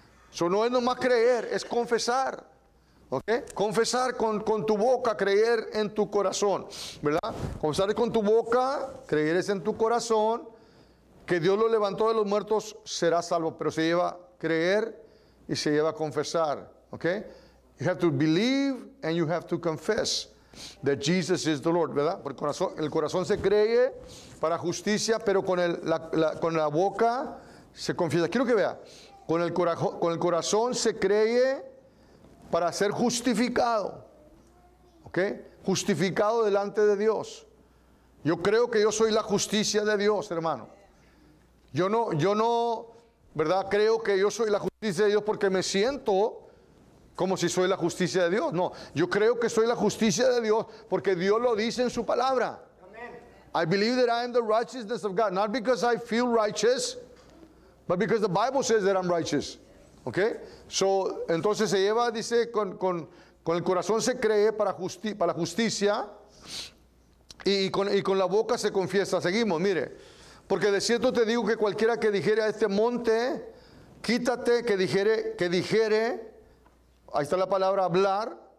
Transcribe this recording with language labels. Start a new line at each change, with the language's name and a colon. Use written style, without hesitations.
Spanish: Eso no es nomás creer, es confesar. ¿Ok? Confesar con tu boca, creer en tu corazón. ¿Verdad? Confesar con tu boca, creer es en tu corazón, que Dios lo levantó de los muertos, será salvo. Pero se lleva creer y se lleva confesar. ¿Ok?
English: You have to believe and you have to confess that Jesus is the Lord, ¿verdad?
Spanish: Porque el corazón se cree para justicia, pero con la boca se confiesa. Quiero que vea, con el corazón se cree para ser justificado, ¿ok? Justificado delante de Dios. Yo creo que yo soy la justicia de Dios, hermano. Yo no, ¿verdad? Creo que yo soy la justicia de Dios porque me siento como si soy la justicia de Dios. No, yo creo que soy la justicia de Dios porque Dios lo dice en su palabra.
English: Amen. I believe that I am the righteousness of God, not because I feel righteous, but because the Bible says that I'm righteous.
Spanish: Ok, so, entonces se lleva, dice, con el corazón se cree para la justicia y con la boca se confiesa. Seguimos, mire, porque de cierto te digo que cualquiera que dijere a este monte, quítate, que dijere, ahí está la palabra hablar.